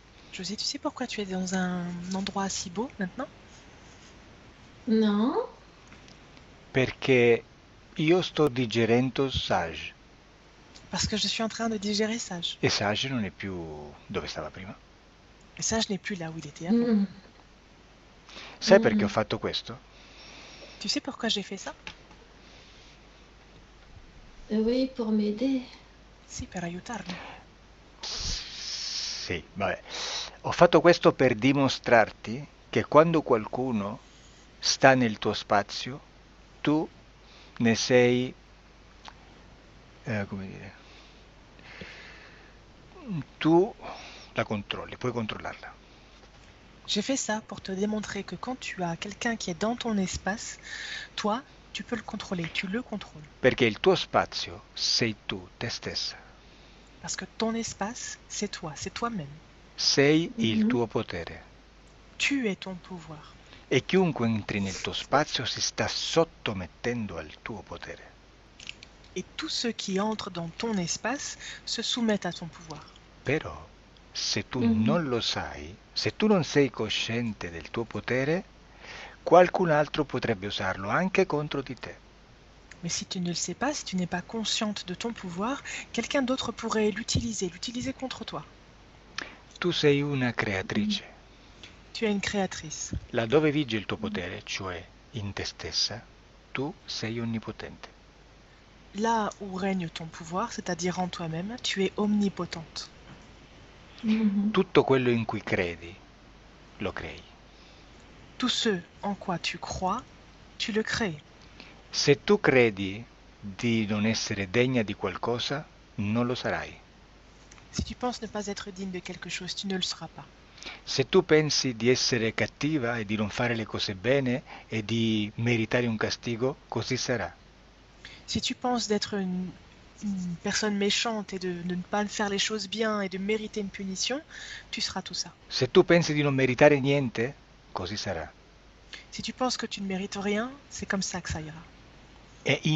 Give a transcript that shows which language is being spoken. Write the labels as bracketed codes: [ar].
[fr] José, tu sais pourquoi tu es dans un endroit si beau maintenant? Non. [it] Perché io sto digerendo Sage. [fr] Parce que je suis en train de digérer Sage. [it] E Sage non è più dove stava prima. [fr] Et Sage n'est plus là où il était avant. [it] Sai perché ho fatto questo? [fr] Tu sais pourquoi j'ai fait ça? Oui, pour m'aider. [it] Sì, per aiutarmi. Sì, vabbè. Ho fatto questo per dimostrarti che quando qualcuno sta nel tuo spazio, tu ne sei, come dire, tu la controlli, puoi controllarla. [fr] J'ai fait ça pour te démontrer que quand tu as quelqu'un qui est dans ton espace, toi, tu peux le contrôler, tu le contrôles. [it] Perché il tuo spazio sei tu, te stessa. [fr] Parce que ton espace, c'est toi-même. [it] Sei il tuo potere. [fr] Tu es ton pouvoir. [it] E chiunque entri nel tuo spazio si sta sottomettendo al tuo potere. [fr] Et tous ceux qui entrent dans ton espace se soumettent à ton pouvoir. [it] Però, se tu non lo sai, se tu non sei cosciente del tuo potere, qualcun altro potrebbe usarlo anche contro di te. [fr] Mais si tu ne le sais pas, si tu n'es pas consciente de ton pouvoir, quelqu'un d'autre pourrait l'utiliser contre toi. [it] Tu sei una creatrice. [fr] Tu es une créatrice. [it] Laddove vige il tuo potere, cioè in te stessa, tu sei onnipotente. [fr] Là où règne ton pouvoir, c'est-à-dire en toi-même, tu es omnipotente. [it] Tutto quello in cui credi, lo crei. [fr] Tout ce en quoi tu crois, tu le crées. [it] Se tu credi di non essere degna di qualcosa, non lo sarai. [fr] Si tu penses ne pas être digne de quelque chose, tu ne le seras pas. [it] Se tu pensi di essere cattiva e di non fare le cose bene e di meritare un castigo, così sarà. [fr] Si tu penses d'être une personne méchante et de ne pas faire les choses bien et de mériter une punition, tu seras tout ça. [it] Se tu pensi di non meritare niente, così sarà. E [fr] Si tu penses que tu ne mérites rien, c'est comme ça que ça ira.